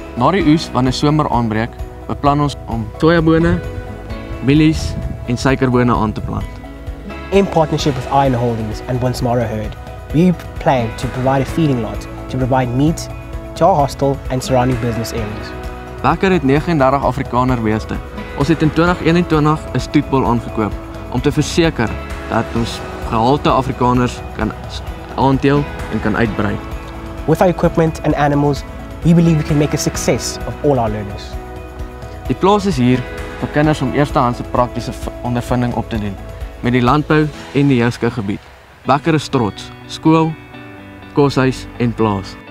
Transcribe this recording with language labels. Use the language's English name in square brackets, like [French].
[Afrikaans] Na die oes, wanneer somer aanbreek, beplan ons om sojabone, mielies en suikerbone aan te planten. [English] In partnership with Iron Holdings and Once Mara Herd, we plan to provide a feeding lot to provide meat to our hostel and surrounding business areas. [Afrikaans] Becker het 39 Afrikaner beeste. Ons het in 2021 een stoetbol aangekoop om te verseker dat ons gehalte Afrikaners kan aanteel en kan uitbrei. [English] With our equipment and animals, we believe we can make a success of all our learners. [Afrikaans] Die plaas is hier vir kinders om eerstehandse praktiese ondervinding op te doen met die landbouw en die Jyske gebied. Becker is trots, school, koshuis en plaas.